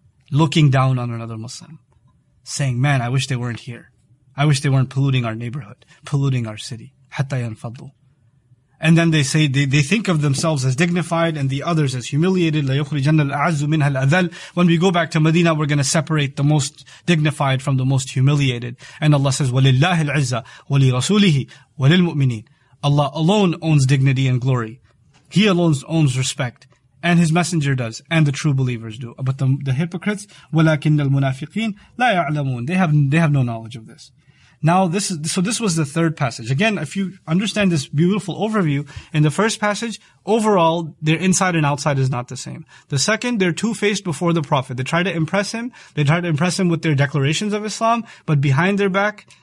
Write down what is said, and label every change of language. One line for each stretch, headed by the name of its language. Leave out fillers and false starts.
English: Looking down on another Muslim, saying, man, I wish they weren't here. I wish they weren't polluting our neighborhood, polluting our city.
Arabic: حَتَّى يَنْفَضُّوا.
English: And then they say, they think of themselves as dignified and the others as humiliated.
Arabic: لَيُخْرِجَنَّ الْأَعَزُّ مِنْهَا الْأَذَلُ.
English: When we go back to Medina, we're going to separate the most dignified from the most humiliated. And Allah says,
Arabic: وَلِلَّهِ الْعِزَّةِ وَلِرَسُولِهِ وَلِلْمُؤْمِنِينَ.
English: Allah alone owns dignity and glory. He alone owns respect. And his messenger does, and the true believers do. But the hypocrites,
Arabic: وَلَكِنَّ الْمُنَافِقِينَ لَا يَعْلَمُونَ.
English: They have no knowledge of this. Now this was the third passage. Again, if you understand this beautiful overview, in the first passage, overall, their inside and outside is not the same. The second, they're two-faced before the Prophet. They try to impress him with their declarations of Islam, but behind their back,